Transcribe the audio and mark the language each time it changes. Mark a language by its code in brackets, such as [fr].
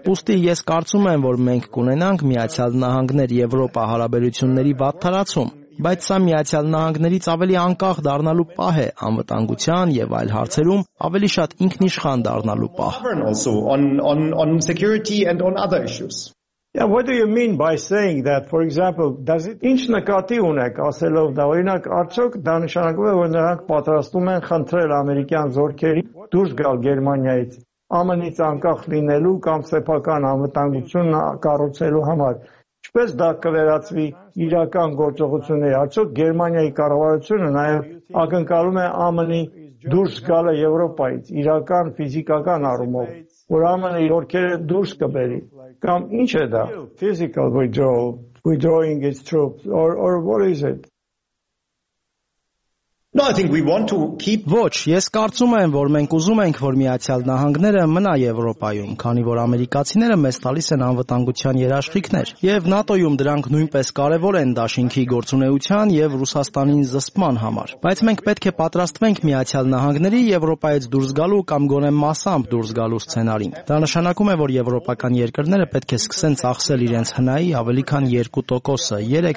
[hy] Ուստի ես կարծում եմ, որ մենք կունենանք Միացյալ Նահանգներ Եվրոպա հարաբերությունների վատթարացում, բայց սա Միացյալ Նահանգներից ավելի անկախ դառնալու պահ է անվտանգության եւ այլ հարցերում ավելի շատ ինքնիշխան դառնալու պահ։ [en] Yeah, what do you mean by saying that? For example, does it [hy] ինչ նկատի ունեք ասելով դա? Օրինակ, արդյոք դա նշանակում է, որ նրանք պատրաստում են խնդրել ամերիկյան զորքերի դուրս գալ Գերմանիայից, ԱՄՆ-ից անկախ լինելու կամ սեփական անվտանգություն կառուցելու համար? Ինչպես դա կվերածվի իրական գործողությունների? Արդյոք Գերմանիայի կառավարությունը նաև ակնկալում է ԱՄՆ-ի դուրս գալը Եվրոպայից իրական ֆիզիկական առումով, որ ԱՄՆ-ի զորքերը դուրս կբերի? Կամ ինչ է դա? [en] Physical withdrawal, withdrawing its troops, or what is it? No, I think we want to keep. [hy] Ոչ, ես կարծում եմ, որ մենք ուզում ենք, որ Միացյալ Նահանգները մնա Եվրոպայում, քանի որ ամերիկացիները մեզ տալիս են անվտանգության երաշխիքներ, եւ ՆԱՏՕ-ում դրանք նույնպես կարեւոր են Դաշինքի գործունեության եւ Ռուսաստանին զսպման համար։ Բայց մենք պետք է պատրաստվենք Միացյալ Նահանգների Եվրոպայից դուրս գալու կամ գոնե massamp դուրս գալու սցենարին։ Դա նշանակում է, որ եվրոպական երկրները պետք է սկսեն ծախսել իրենց հնայի ավելի քան 2%-ը,